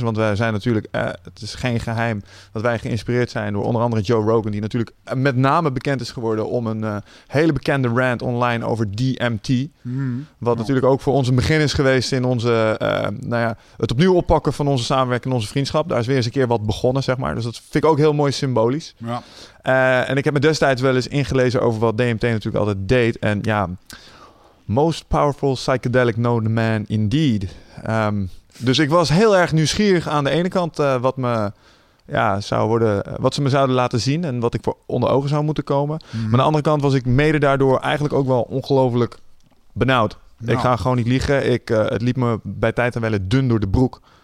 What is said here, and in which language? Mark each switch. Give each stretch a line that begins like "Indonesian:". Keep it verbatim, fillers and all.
Dutch: Want wij zijn natuurlijk, uh, het is geen geheim dat wij geïnspireerd zijn door onder andere Joe Rogan. Die natuurlijk met name bekend is geworden om een uh, hele bekende rant online over D M T. Mm. Wat oh. natuurlijk ook voor ons een begin is geweest in onze, uh, nou ja, het opnieuw oppakken van onze samenwerking en onze vriendschap. Daar is weer eens een keer wat begonnen, zeg maar. Dus dat vind ik ook heel mooi symbolisch. Ja. Uh, en ik heb me destijds wel eens ingelezen over wat D M T natuurlijk altijd deed. En ja...
English: Most powerful psychedelic known man indeed.
Dutch: Um, dus ik was heel erg nieuwsgierig aan de ene kant uh, wat me ja, zou worden, wat ze me zouden laten zien en wat ik voor onder ogen zou moeten komen. Mm. Maar aan de andere kant was ik mede daardoor eigenlijk ook wel ongelooflijk benauwd. Nou. Ik ga gewoon niet liegen. Ik, uh, het liep me bij tijd en welle dun door de broek.